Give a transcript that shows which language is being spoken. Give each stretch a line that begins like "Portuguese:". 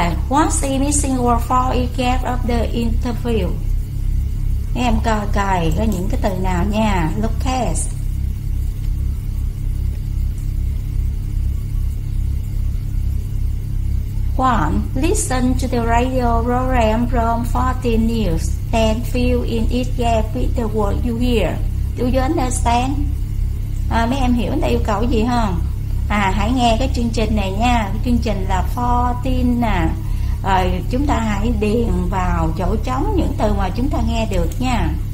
English: What's the missing word for it get of the interview?
Vietnamese: Em coi coi có những cái từ nào nha.
English: Look at. One, listen to the radio program from 14 News and fill in each gap with the word you hear. Do you understand?
Vietnamese: Mấy em hiểu người ta yêu cầu gì không? Hãy nghe cái chương trình này nha. Chương trình là 14 nè. Rồi chúng ta hãy điền vào chỗ trống những từ mà chúng ta nghe được nha.